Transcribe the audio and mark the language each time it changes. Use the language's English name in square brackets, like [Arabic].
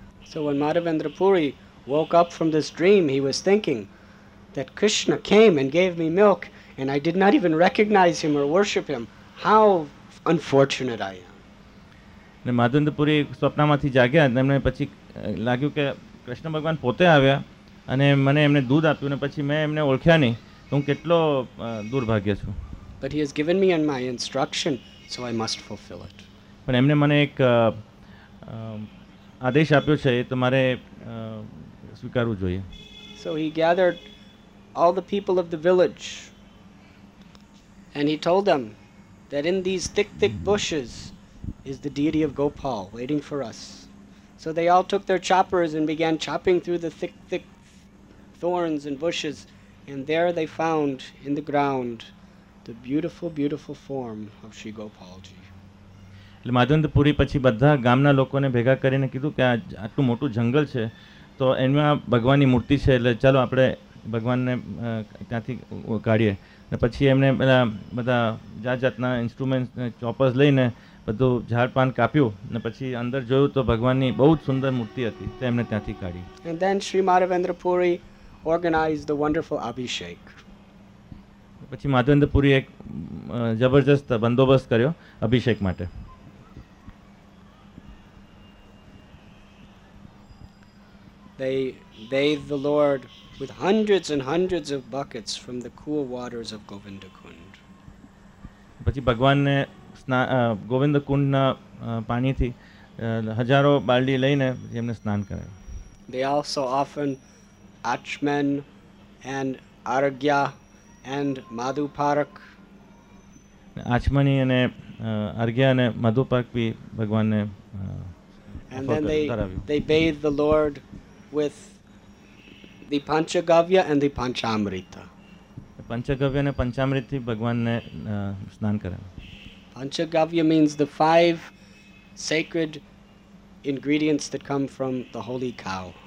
[English] So one Madhavendra Puri woke up from this dream he was thinking that Krishna came and gave me milk and I did not even recognise him or worship him how unfortunate I am. [Gujarati] ને માધવેન્દ્ર પુરી સ્વપ્નમાંથી જાગ્યા અને એમને પછી લાગ્યું કે કૃષ્ણ ભગવાન પોતે આવ્યા અને મને એમને દૂધ આપ્યું ને પછી મેં એમને ઓળખ્યા નહીં તો હું કેટલો દુર્ભાગ્ય છું. [English] But he has given me and my instruction, so I must fulfill it. [Gujarati] પણ એમને મને એક આદેશ આપ્યો છે એ તમારે સ્વીકારવું જોઈએ. [English] So he gathered all the people of the village and he told them that in these thick bushes is the deity of Gopal waiting for us. So they all took their choppers and began chopping through the thick thorns and bushes and there they found in the ground the beautiful form of Shri Gopalji. [Gujarati] એટલે માધવેન્દ્રપુરી પછી બધા ગામના લોકોને ભેગા કરીને કીધું કે આટલું મોટું જંગલ છે તો એમાં ભગવાનની મૂર્તિ છે એટલે ચાલો આપણે ભગવાનને ત્યાંથી કાઢીએ અને પછી એમને પેલા બધા જાત જાતના ઇન્સ્ટ્રુમેન્ટ ચોપર્સ લઈને બધું ઝાડપાન કાપ્યું ને પછી અંદર જોયું તો ભગવાનની બહુ જ સુંદર મૂર્તિ હતી તો એમને ત્યાંથી કાઢી. [English] And then Shri Madhavendrapuri organise the wonderful abhishek. [Gujarati] પછી માધવેન્દ્રપુરી એક જબરજસ્ત બંદોબસ્ત કર્યો અભિષેક માટે. [English] They bathed the Lord with hundreds and hundreds of buckets from the cool waters of Govinda Kund. [Gujarati] પછી ભગવાનને ગોવિંદ કુંડના પાણીથી હજારો બાલડી લઈને એમને સ્નાન કરાવ્યું. [English] They also often Achman and Aragya and Madhuparak. [Gujarati] Achmani અને Aragya અને Madhuparak ભી ભગવાનને [English] And then they bathed the Lord with the panchagavya and the panchamrita. [Gujarati] Panchagavya ne panchamriti bhagwan ne snan karaya. [English] Panchagavya means the five sacred ingredients that come from the holy cow.